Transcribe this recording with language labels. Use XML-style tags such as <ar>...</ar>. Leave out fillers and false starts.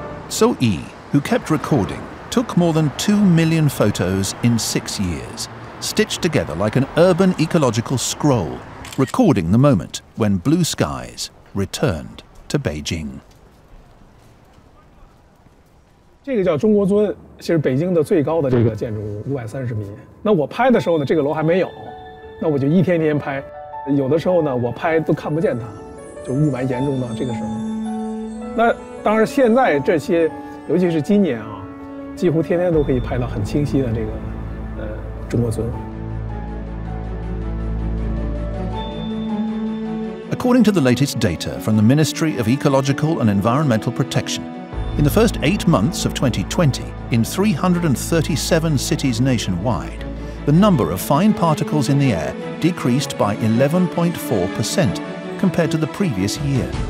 <en>So Yi, who kept recording, took more than 2 million photos in 6 years, stitched together like an urban ecological scroll, recording the moment when blue skies returned to Beijing.</en> <zh>这个叫中国尊，其实北京的最高的这个建筑物，530米。那我拍的时候呢，这个楼还没有，那我就一天天拍。有的时候呢，我拍都看不见它，就雾霾严重到这个时候。那当然，现在这些，尤其是今年啊，几乎天天都可以拍到很清晰的这个，中国尊。</zh> <en>According to the latest data from the Ministry of Ecological and Environmental Protection, in the first 8 months of 2020, in 337 cities nationwide, the number of fine particles in the air decreased by 11.4% compared to the previous year.</en>